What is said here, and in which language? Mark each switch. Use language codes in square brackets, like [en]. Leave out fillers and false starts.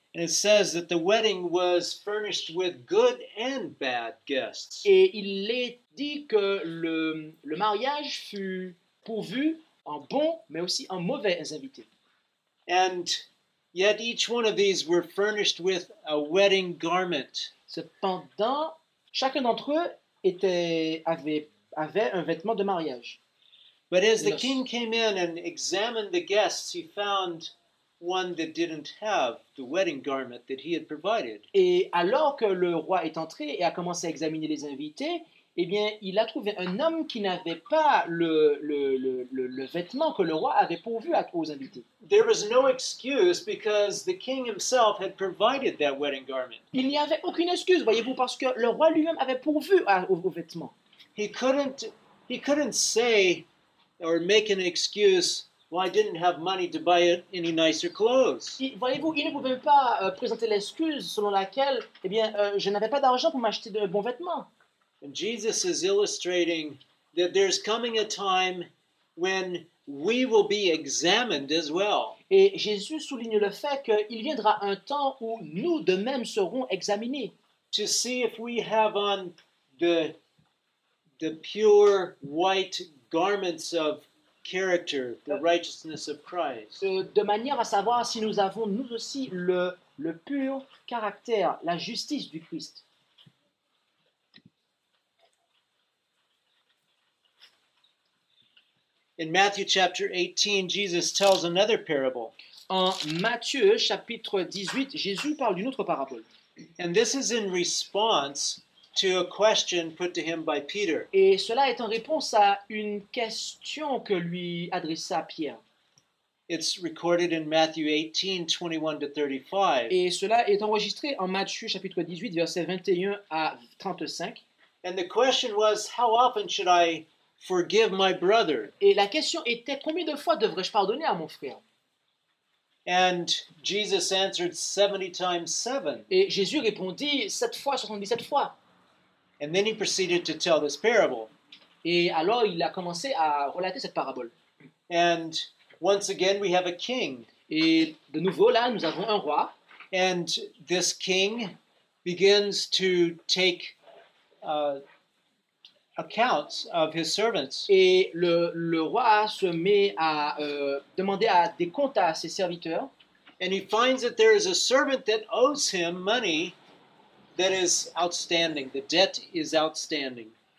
[en] And it says that the wedding was furnished with good and bad guests. [fr] Et il est dit que le mariage fut pourvu en bons mais aussi en mauvais invités. [en] And yet each one of these were furnished with a wedding garment. [fr] Cependant, chacun d'entre eux avait un vêtement de mariage. [en] But as the king came in and examined the guests, he found one that didn't have the wedding garment that he had provided. [fr] Et alors que le roi est entré et a commencé à examiner les invités, eh bien, il a trouvé un homme qui n'avait pas le vêtement que le roi avait pourvu aux invités. [en] There was no excuse because the king himself had provided that wedding garment. [fr] Il n'y avait aucune excuse, voyez-vous, parce que le roi lui-même avait pourvu aux vêtements. [en] He couldn't say or make an excuse. Well, I didn't have money to buy any nicer clothes. [fr] Voyez-vous, il ne pouvait pas présenter l'excuse selon laquelle, eh bien, je n'avais pas d'argent pour m'acheter de bons vêtements. [en] And Jesus is illustrating that there's coming a time when we will be examined as well. [fr] Et Jésus souligne le fait qu'il viendra un temps où nous de même serons examinés. [en] To see if we have on the pure white garments of character, the righteousness of Christ. [fr] De manière à savoir si nous avons nous aussi le pur caractère, la justice du Christ. [en] In Matthew chapter 18, Jesus tells another parable. [fr] En Matthieu chapitre 18, Jésus parle d'une autre parabole. [en] And this is in response to a question put to him by Peter. [fr] Et cela est en réponse à une question que lui adressa Pierre. [en] It's recorded in Matthew 18, 21 to 35. [fr] Et cela est enregistré en Matthieu chapitre 18, versets 21 à 35. [en] And the question was, how often should I forgive my brother? [fr] Et la question était, combien de fois devrais-je pardonner à mon frère? [en] And Jesus answered 70 times 7. [fr] Et Jésus répondit 7 fois, 77 fois. [en] And then he proceeded to tell this parable. [fr] Et alors il a commencé à relater cette parabole. [en] And once again we have a king. [fr] Et de nouveau là nous avons un roi. [en] And this king begins to take accounts of his servants. [fr] Et le roi se met à demander à des comptes à ses serviteurs. [en] And he finds that there is a servant that owes him money. That is outstanding. The debt is outstanding.